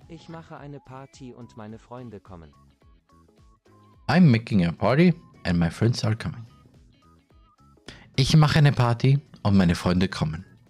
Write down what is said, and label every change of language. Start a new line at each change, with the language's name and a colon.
German: Ich mache eine Party und meine Freunde kommen.
English: I'm making a party and my friends are coming.
German: Ich mache eine Party und meine Freunde kommen.